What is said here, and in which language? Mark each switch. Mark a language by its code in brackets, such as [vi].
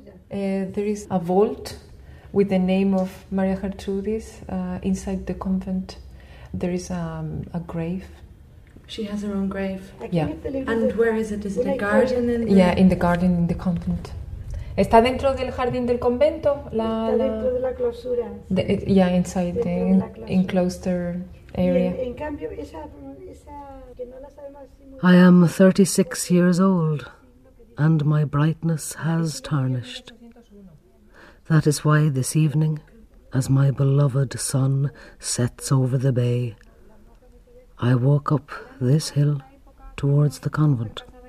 [en] There is a vault with the name of Maria Gertrudis inside the convent. There is a grave. She has her own grave? Yeah. And where is it? Is it a garden? Yeah, in the garden in the convent. [es] ¿Está dentro del jardín del convento? Está dentro de la clausura. [en] Yeah, inside the enclosed area. [es] En cambio, esa que no la sabemos. [en] I am 36 years old, and my brightness has tarnished. That is why this evening, as my beloved sun sets over the bay, I walk up this hill towards the convent.